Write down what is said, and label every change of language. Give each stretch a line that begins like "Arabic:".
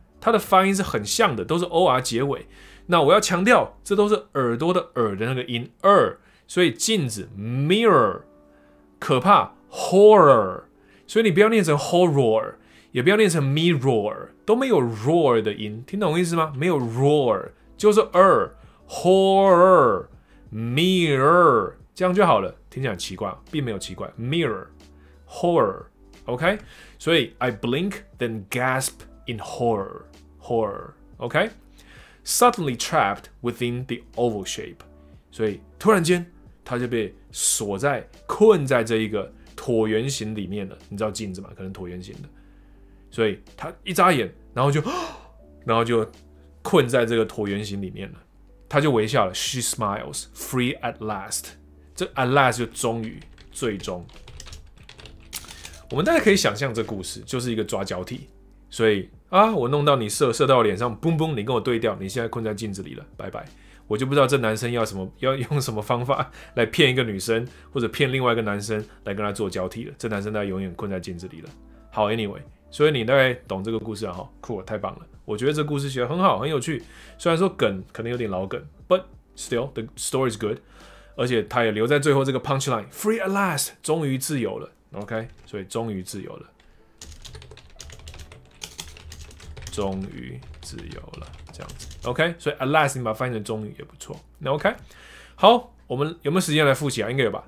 Chinese: 它的发音是很像的，都是 or 结尾。那我要强调，这都是耳朵的耳的那个音 er， 所以镜子 mirror， 可怕 horror， 所以你不要念成 horror， 也不要念成 mirror， 都没有 roar 的音，听懂意思吗？没有 roar， 就是 er， horror， mirror， 这样就好了。听起来很奇怪，并没有奇怪， mirror， horror， OK， 所以
English: I blink then gasp。 In horror, horror, OK? Suddenly trapped within the oval shape.
Chinese: 所以突然间他就被锁在困在这一个椭圆形里面了。你知道镜子吗？可能椭圆形的。所以他一眨眼然后就困在这个椭圆形里面了。他就微笑了
English: ,She smiles, free at last.
Chinese: 这 at last 就终于最终。我们大家可以想象这故事就是一个抓交替。所以啊，我弄到你射到脸上，嘣嘣，你跟我对调，你现在困在镜子里了，拜拜。我就不知道这男生要用什么方法来骗一个女生，或者骗另外一个男生来跟他做交替了。这男生大概永远困在镜子里了。好 ，anyway， 所以你大概懂这个故事了哈，酷，太棒了。我觉得这故事写得很好，很有趣。虽然说梗可能有点老梗 ，
English: but still the story is good。
Chinese: 而且他也留在最后这个 punchline，
English: free at last，
Chinese: 终于自由了。 OK， 所以终于自由了。终于自由了，这样子 ，OK。所以 at last 你把它翻译成终于也不错。那 OK， 好，我们有没有时间来复习啊？应该有吧。